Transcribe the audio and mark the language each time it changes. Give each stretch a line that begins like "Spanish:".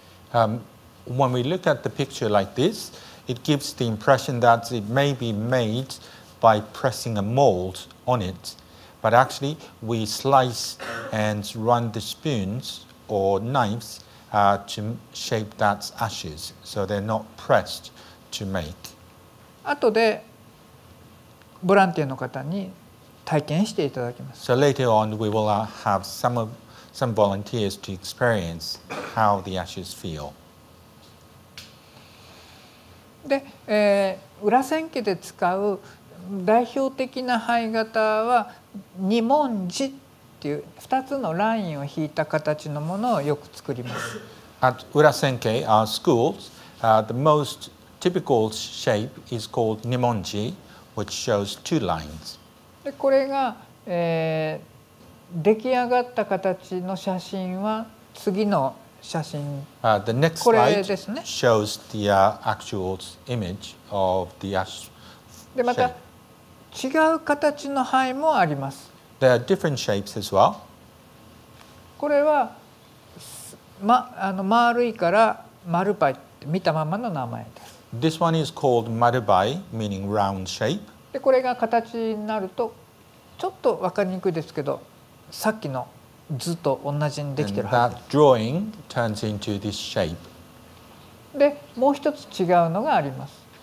English: When we look at the picture like this, it gives the impression that it may be made by pressing a mold. On it, but actually we slice and run the spoons or knives to shape that ashes, so they're not pressed to make.
Japanese: 後でボランティアの方に体験していただきます。
English: So later on, we will have some volunteers to experience how the ashes feel.
Japanese: で、ウラセンケで使う代表的な灰型は二文字ていう2つのラインを引いた形のものをよく作ります。
English: At Urasenke, our schools, the most typical shape is called Nimonji, which shows two lines.
Japanese: で、これが、出来上がった形の写真は次の写真、
English: the next
Japanese: これですね。
English: Shows the actual image of the shape.
Japanese: で、また違う形の灰もあります。
English: There are different shapes as well.
Japanese: これは、ま、あの丸いから丸パイって見たままの名前です。
English: This one is called marubai, meaning round shape.
Japanese: で、これが形になるとちょっと分かりにくいですけど、さっきの図と同じにできてる。
English: And that drawing turns into this shape.
Japanese: で、もう一つ違うのがあります。